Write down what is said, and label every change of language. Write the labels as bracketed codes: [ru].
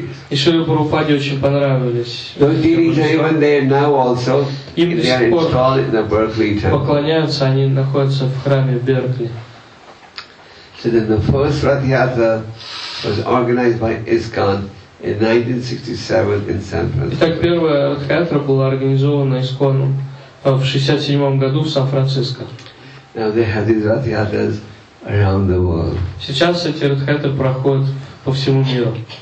[ru] И Шри Прабхупаде очень понравились. Им до сих пор поклоняются, они находятся в храме в Беркли. [en] So then the first Rath Yatra was organized by ISKCON. In 1967 in San Francisco. [ru] Итак, первая Рат-Ятра была организована ИСККОН в 67 году в Сан-Франциско. [en] Now they have these Рат-Ятрас around the world. [ru] Сейчас эти Рат-Ятры проходят по всему миру.